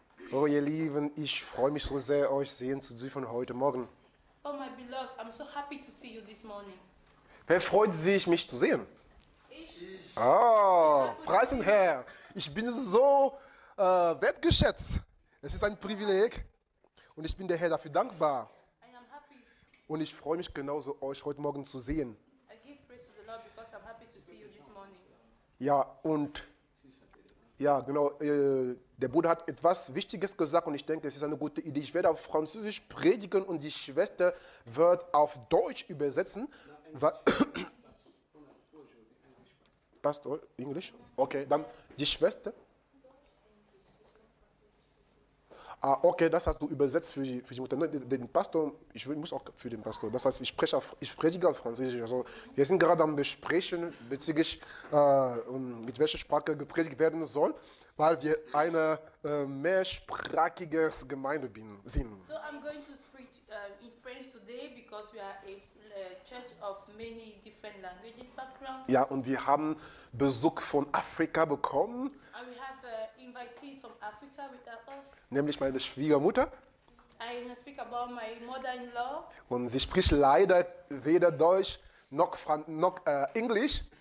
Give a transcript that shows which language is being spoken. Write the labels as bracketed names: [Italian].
[German] Oh, ihr Lieben, ich freue mich so sehr, euch sehen zu dürfen heute Morgen. [English] Oh, my beloved, I'm so happy to see you this morning. [German] Wer freut sich, mich zu sehen? Ich. Oh, preis den Herrn. Ich bin so wertgeschätzt. Es ist ein Privileg. Und ich bin der Herr dafür dankbar. [English] I am happy. [German] Und ich freue mich genauso, euch heute Morgen zu sehen. [English] I give praise to the Lord because I'm happy to see you this morning. [German] Ja, und... Ja, genau. Der Bruder hat etwas Wichtiges gesagt und ich denke, es ist eine gute Idee. Ich werde auf Französisch predigen und die Schwester wird auf Deutsch übersetzen. Pastor, Englisch? Okay, dann die Schwester. Ah, okay, das hast du übersetzt für die Mutter. Den Pastor, ich muss auch für den Pastor. Das heißt, ich predige auf Französisch. Also, wir sind gerade am Besprechen bezüglich, mit welcher Sprache gepredigt werden soll, weil wir eine mehrsprachige Gemeinde sind. [English] So, I'm going to preach in French today because we are a church of many different languages background. [German] Ja, und wir haben Besuch von Afrika bekommen. [English] And we have invitees from Africa with us. [German] Nämlich meine Schwiegermutter. [English] I speak about my mother-in-law. [German] Und sie spricht leider weder Deutsch noch Englisch.